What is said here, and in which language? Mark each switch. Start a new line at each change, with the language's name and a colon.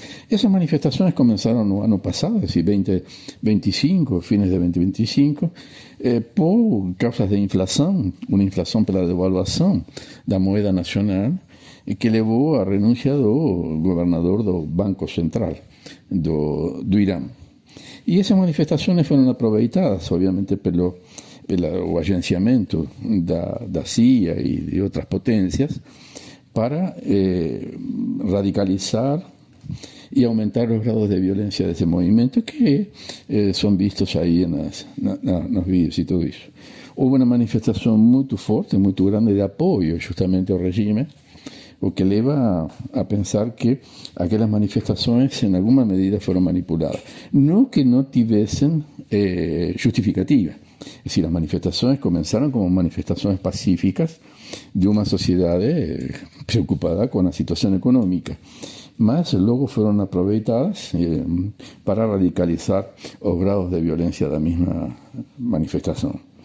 Spanish: Esas manifestaciones comenzaron el año pasado, es decir, 2025, fines de 2025, por causas de inflación, una inflación por la devaluación de la moneda nacional, que llevó a renuncia del gobernador del Banco Central de Irán. Y esas manifestaciones fueron aprovechadas, obviamente, por
Portuguese: o agenciamento da CIA e de outras potências para radicalizar e aumentar os graus de violência desse movimento que são vistos aí nos vídeos e tudo isso. Houve uma manifestação muito forte, muito grande de apoio justamente ao regime, o que leva a pensar que aquelas manifestações em alguma medida foram manipuladas. Não que não tivessem justificativa.
Spanish: Es decir, las manifestaciones comenzaron como manifestaciones pacíficas de una sociedad preocupada con la situación económica, mas luego fueron aprovechadas para radicalizar los grados de violencia de la misma manifestación.